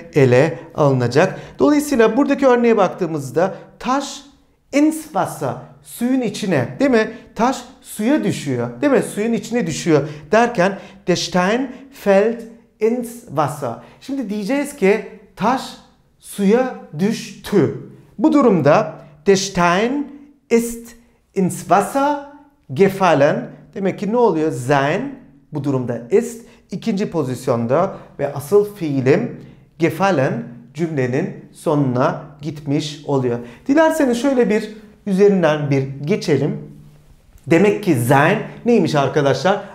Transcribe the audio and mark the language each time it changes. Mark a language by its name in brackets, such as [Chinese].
[Turkish] Ele alınacak. Dolayısıyla buradaki örneğe baktığımızda taş [German] ins Wasser, [Turkish] suyun içine değil mi? Taş suya düşüyor değil mi? Suyun içine düşüyor derken [German] der Stein fällt ins Wasser. [Turkish] Şimdi diyeceğiz ki taş suya düştü. Bu durumda [German] der Stein ist ins Wasser gefallen. [Turkish] Demek ki ne oluyor? Sein bu durumda ist ikinci pozisyonda ve asıl fiilim gefallen cümlenin sonuna gitmiş oluyor. Dilerseniz şöyle bir üzerinden bir geçelim. Demek ki sein neymiş arkadaşlar?